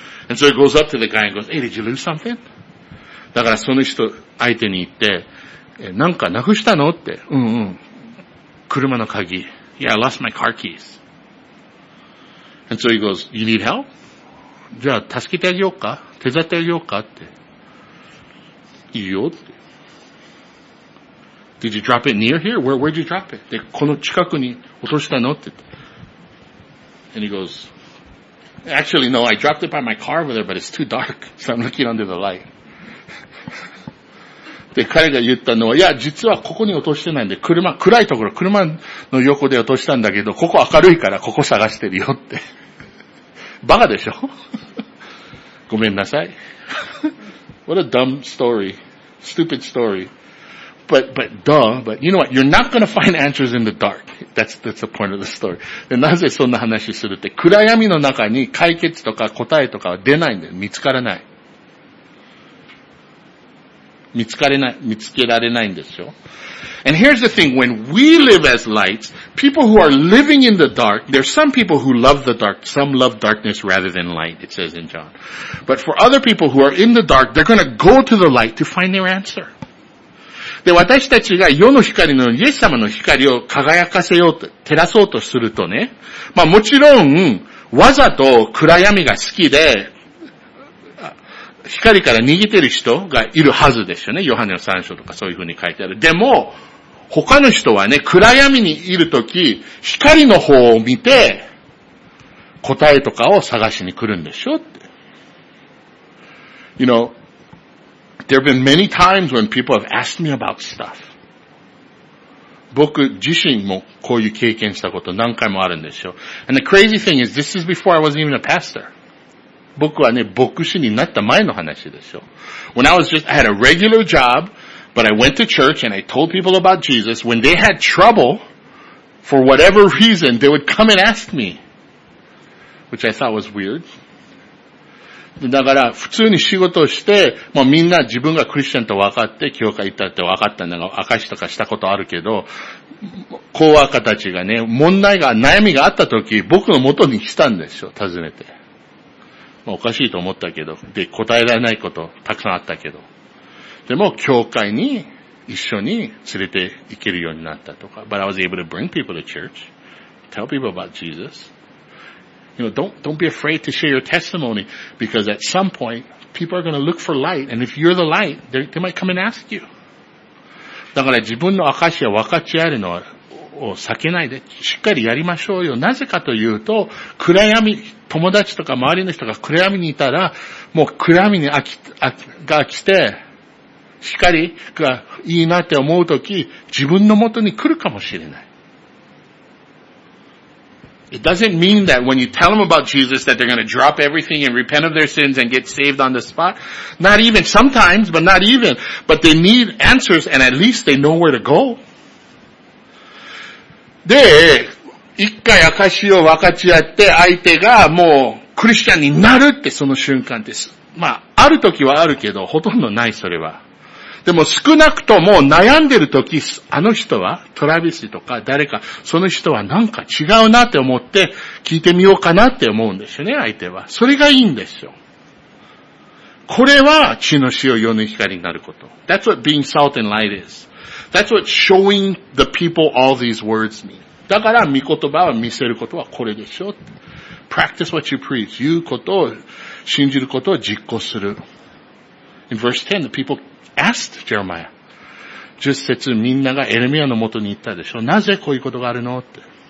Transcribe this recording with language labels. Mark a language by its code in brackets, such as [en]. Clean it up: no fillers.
[en] And so he goes up to the guy and goes, hey, did you lose something? [ja] だからその人相手に言って、なんかなくしたのって、車の鍵。 [en] Yeah, I lost my car keys. And so he goes, you need help? [ja] じゃあ助けてあげようか、手伝ってあげようかって。いいよって。 [en] Did you drop it near here? Where'd you drop it? [ja] で、この近くに落としたのって。 [en] And he goes,Actually, no, I dropped it by my car over there, but it's too dark, so I'm looking under the light. [ja] で、彼が言ったのは、いや、実はここに落としてないんで、車、暗いところ、車の横で落としたんだけど、ここ明るいから、ここ探してるよって。バカでしょ？ごめんなさい。 [en] What a dumb story. Stupid story. But you know what? You're not going to find answers in the dark. That's the point of the story. [ja] で、なぜそんな話するって、暗闇の中に解決とか答えとかは出ないんだよ。見つからない。見つけられないんですよ。 [en] And here's the thing. When we live as lights, people who are living in the dark, there's some people who love the dark. Some love darkness rather than light, it says in John. But for other people who are in the dark, they're going to go to the light to find their answer. [ja] で、私たちが世の光のイエス様の光を輝かせようと、照らそうとするとね、まあもちろん、わざと暗闇が好きで、光から逃げてる人がいるはずですよね。ヨハネの3章とかそういう風に書いてある。でも、他の人はね、暗闇にいるとき、光の方を見て、答えとかを探しに来るんでしょって。 [en] You know,There have been many times when people have asked me about stuff. [ja] 僕自身もこういう経験したこと何回もあるんですよ。 [en] And the crazy thing is, this is before I wasn't even a pastor. [ja] 僕はね、牧師になった前の話ですよ。 [en] When I was just, I had a regular job, but I went to church and I told people about Jesus. When they had trouble, for whatever reason, they would come and ask me. Which I thought was weird. [ja] だから普通に仕事をして、もうみんな自分がクリスチャンと分かって教会行ったって分かったんだが、証とかしたことあるけど、コーワーカーたちがね、問題が悩みがあった時、僕の元に来たんですよ、尋ねて。まあ、おかしいと思ったけど、で答えられないことたくさんあったけど、でも教会に一緒に連れて行けるようになったとか、 [en] But I was able to bring people to church, tell people about Jesus. You know, don't be afraid to share your testimony because at some point, people are going to look for light. And if you're the light, they might come and ask you. [ja] だから自分の証を分かち合えるのを避けないで、しっかりやりましょうよ。なぜかというと、暗闇、友達とか周りの人が暗闇にいたら、もう暗闇に飽きて、光がいいなって思うとき、自分の元に来るかもしれない。 [en] It doesn't mean that when you tell them about Jesus that they're going to drop everything and repent of their sins and get saved on the spot. Not even, sometimes, but not even. But they need answers and at least they know where to go. [ja] で、一回証を分かち合って相手がもうクリスチャンになるってその瞬間です。まあ、ある時はあるけど、ほとんどないそれは。でも少なくとも悩んでる時、あの人は、トラビスとか誰か、その人はなんか違うなって思って聞いてみようかなって思うんですよね、相手は。それがいいんですよ。これは血の塩、世の光になること。 [en] That's what being salt and light is. That's what showing the people all these words mean. [ja] だから見言葉を見せることはこれでしょ。 [en] Practice what you preach. [ja] 言うことを、信じることを実行する。 [en] In verse 10, the people asked Jeremiah. [ja] 十節みんながエレミアの元に行ったでしょ。なぜこういうことがあるのって。